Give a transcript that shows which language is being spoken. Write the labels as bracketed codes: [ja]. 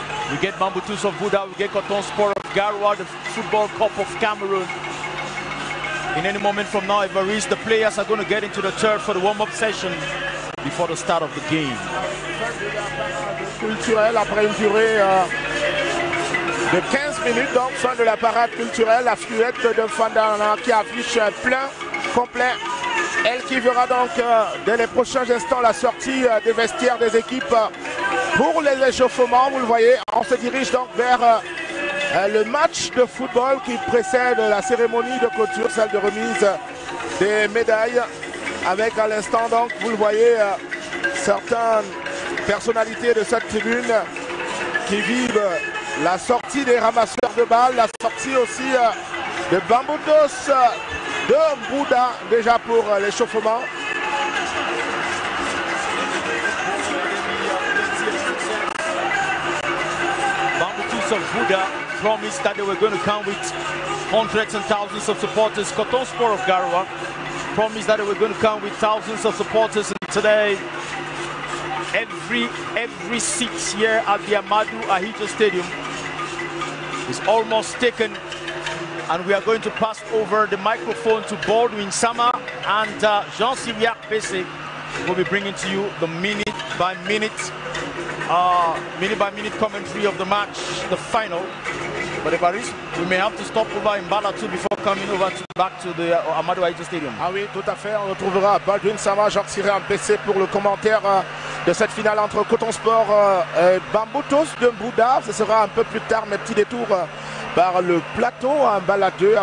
[en] We get Bambutos of Mbunda, we get Coton Sport of Garoua, the Football Cup of Cameroon. In any moment from now, Evariste, the players are going to get into the turf for the warm-up session before the start of the game. [fr] Culturel après une durée de 15 minutes, donc fin de la parade culturelle, la fluette de Fandana qui affiche plein, complet. Elle qui verra donc dès les prochains instants la sortie des vestiaires des équipes pour les échauffements. Vous le voyez, on se dirige donc vers le match de football qui précède la cérémonie de clôture, celle de remise des médailles. Avec à l'instant donc, vous le voyez, certaines personnalités de cette tribune qui vivent la sortie des ramasseurs de balles, la sortie aussi de Bambutos de Mbunda déjà pour l'échauffement. [en] Bambutos of Mbunda promised that they were going to come with hundreds and thousands of supporters. Coton Sport of Garoua promised that they were going to come with thousands of supporters. And today, every seat here at the Amadou Ahidjo Stadium is almost taken. And we are going to pass over the microphone to Baldwin Sama and Jean Siriac Pesse. We'll be bringing to you the minute by minute commentary of the match, the final. But if there is, we may have to stop over in Mbala too before coming over to back to the Amadou Ahidjo Stadium. [fr] Ah oui, tout à fait. On retrouvera Baldwin Sama, Jean Siriac Pesse pour le commentaire de cette finale entre Coton Sport et Bambutos de Mbunda. Ce sera un peu plus tard, mes petits détours par le plateau en baladeur.